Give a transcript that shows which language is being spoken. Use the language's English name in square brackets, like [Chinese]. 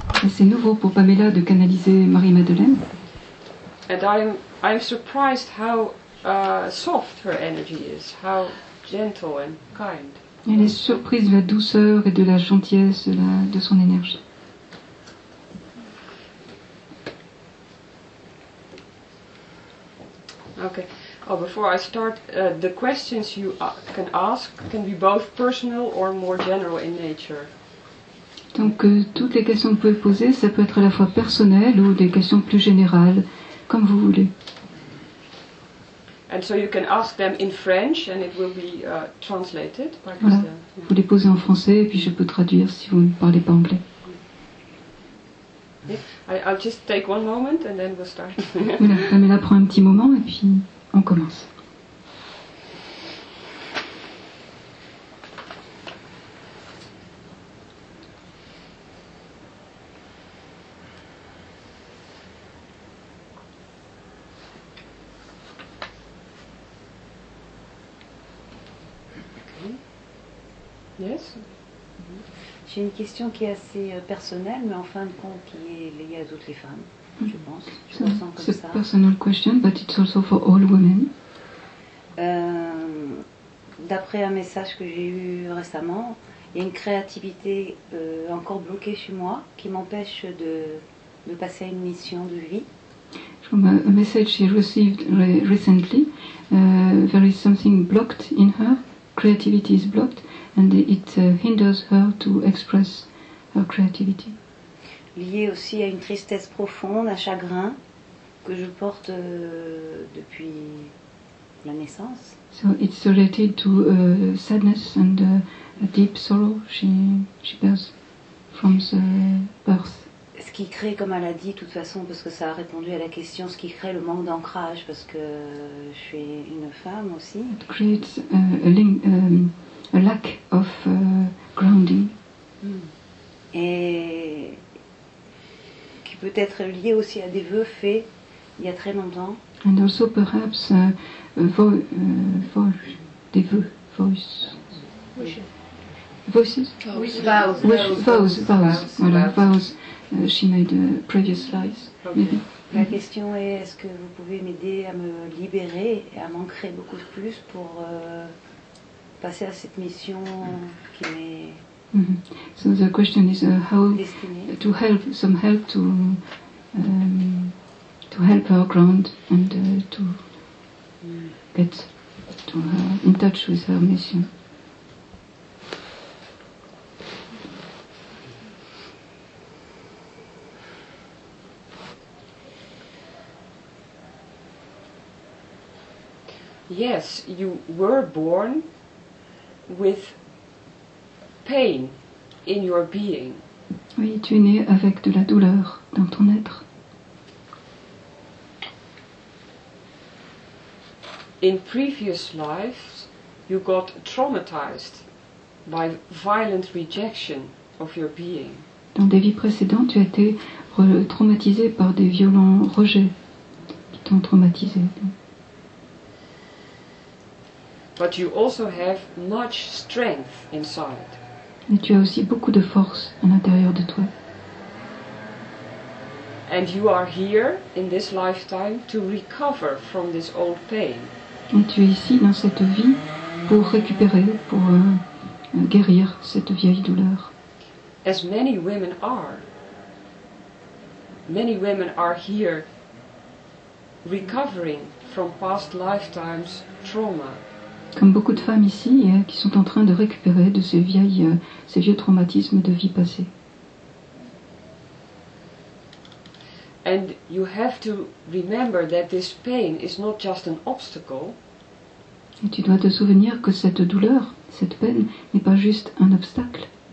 [French] Mais c'est nouveau pour Pamela de canaliser Marie-Madeleine. [English] And I'm surprised how soft her energy is, how gentle and kind. [French] Elle est surprise de la douceur et de la gentillesse de son énergie. [English] Okay. Oh, before I start, the questions you can ask can be both personal or more general in nature. [French] Donc, toutes les questions que vous pouvez poser, ça peut être à la fois personnel ou des questions plus générales, comme vous voulez. [English] And so you can ask them in French and it will be translated. [French] Voilà. Vous les posez en français et puis je peux traduire si vous ne parlez pas anglais. [English] Yeah. I'll just take one moment and then we'll start. [French] Voilà, Pamela prend un petit moment et puis on commence. [English] Yes. [French] J'ai une question qui est assez personnelle, mais en fin de compte, qui est liée à toutes les femmes, je pense. C'est une [English] personal question, but it's also for all women. [French] D'après un message que j'ai eu récemment, il y a une créativité encore bloquée chez moi qui m'empêche de passer à une mission de vie. [English] From a message she received recently, there is something blocked in her. Creativity is blocked. And it hinders her to express her creativity. [French] Lié aussi à une tristesse profonde, un chagrin que je porte depuis la naissance. [English] So it's related to sadness and a deep sorrow she bears from the birth. [French] Ce qui crée, comme elle a dit, de toute façon, parce que ça a répondu à la question, ce qui crée le manque d'ancrage, parce que je suis une femme aussi. [English] It creates a link. A lack of grounding. [French] Et qui peut être lié aussi à des vœux faits il y a très longtemps. [English] And also perhaps [French] des vœux, [English] vows. She made previous lives. Okay. [French] La question est, est-ce que vous pouvez m'aider à me libérer et à m'ancrer beaucoup plus pour passer à cette mission qui m'est [English] So the question is how to help some help to help her ground and to get to her, in touch with her mission. Yes, you were born with pain in your being. [French] Oui, tu es né avec de la douleur dans ton être. [English] In previous lives, you got traumatized by violent rejection of your being. [French] Dans des vies précédentes, tu as été traumatisé par des violents rejets qui t'ont traumatisé. [English] But you also have much strength inside. [French] Et tu as aussi beaucoup de force à l'intérieur de toi. [English] And you are here in this lifetime to recover from this old pain. [French] Et tu es ici dans cette vie pour récupérer, pour guérir cette vieille douleur. [English] As many women are. Many women are here recovering from past lifetimes trauma. [French] Comme beaucoup de femmes ici qui sont en train de récupérer de ces vieux traumatismes de vie passée. [English] And you have to remember that this pain is not just an obstacle. [French] Et tu dois te souvenir que cette douleur, cette peine n'est pas juste un obstacle.